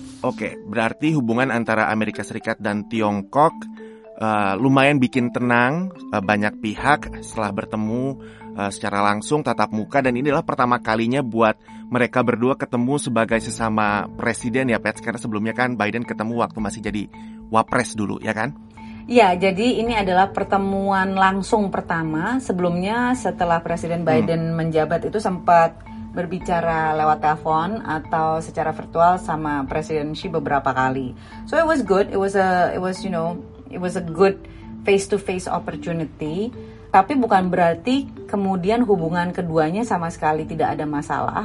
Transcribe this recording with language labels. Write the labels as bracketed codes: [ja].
[id] Okay, berarti hubungan antara Amerika Serikat dan Tiongkok lumayan bikin tenang banyak pihak setelah bertemu secara langsung tatap muka, dan inilah pertama kalinya buat mereka berdua ketemu sebagai sesama presiden ya, Pets, karena sebelumnya kan Biden ketemu waktu masih jadi wapres dulu ya kan? Ya, jadi ini adalah pertemuan langsung pertama. Sebelumnya setelah Presiden Biden menjabat itu sempat berbicara lewat telepon atau secara virtual sama Presiden Xi beberapa kali. [en] So it was good, it was a good face-to-face opportunity. [id] Tapi bukan berarti kemudian hubungan keduanya sama sekali tidak ada masalah.